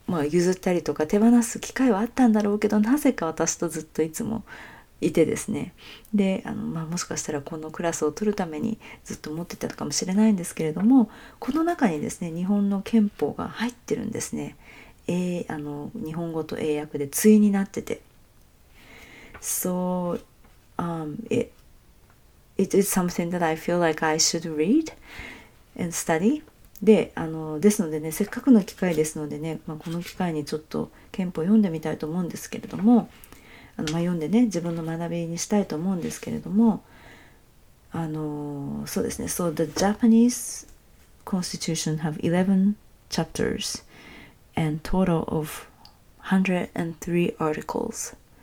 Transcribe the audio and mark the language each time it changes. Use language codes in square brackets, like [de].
[ja] 譲ったりとか手放す機会はあったんだろうけど、なぜか私とずっといつもいてですね、でもしかしたらこのクラスを取るためにずっと持ってたかもしれないんですけれども、この中にですね日本の憲法が入ってるんですね、日本語と英訳で対になってて、 [en] So it is something that I feel like I should read and study。 [ja] でですのでね、せっかくの機会ですのでね、まあ、この機会にちょっと憲法を読んでみたいと思うんですけれども、読んでね、自分の学びにしたいと思うんですけれども、そうですね。So [en] the Japanese Constitution have 11 chapters and total of 103 articles.